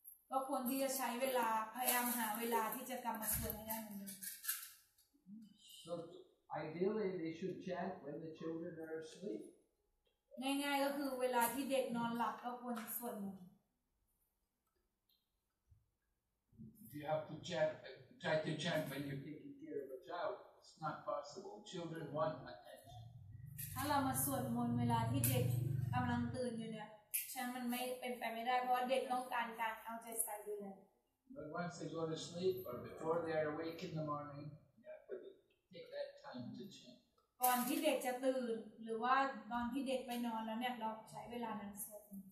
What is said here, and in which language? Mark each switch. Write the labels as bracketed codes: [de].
[th] ก็ควรที่จะใช้เวลาพยายามหาเวลาที่จะกลับมาสวดให้ได้เหมือนเดิม [en] So ideally, they should chant when the children are asleep. [th] ง่ายๆก็คือเวลาที่เด็กนอนหลับก็ควรสวดมนต์ [en] If you have to chant, try to chant when you're taking care of a child. It's not possible. Children want attention. [th] ถ้าเรามาสวดมนต์เวลาที่เด็กกำลังตื่นอยู่เนี่ยฉันมันไม่เป็นไปไม่ได้เพราะว่าเด็กต้องการการเอาใจใส่ดูแล [en] But once they go to sleep or before they are awake in the morning, you have to take that time to chant. [th] ก่อนที่เด็กจะตื่นหรือว่าตอนที่เด็กไปนอนแล้วเนี่ยเราใช้เวลานั้นสวด